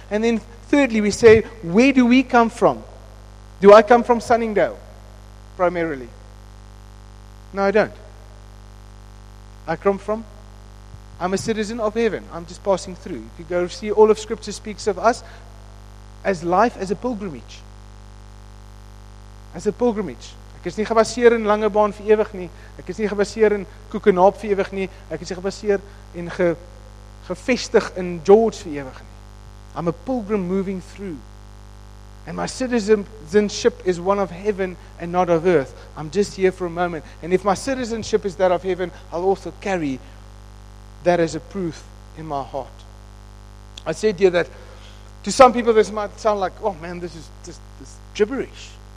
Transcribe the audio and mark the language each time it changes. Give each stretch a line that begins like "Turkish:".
English: And then thirdly, we say, where do we come from? Do I come from Sunningdale, primarily? No, I don't. I come from? I'm a citizen of heaven. I'm just passing through. If you go see, all of Scripture speaks of us as life as a pilgrimage. As a pilgrimage.
Afrikaans: Ek is nie gebaseer in Langebaan vir ewig nie. Ek is nie gebaseer in Kokenaap vir ewig nie. Ek is gebaseer en gevestig in George vir ewig nie.
English: I'm a pilgrim moving through. And my citizenship is one of heaven and not of earth. I'm just here for a moment. And if my citizenship is that of heaven, I'll also carry that as a proof in my heart. I said here that to some people this might sound like, oh man, this is just this gibberish.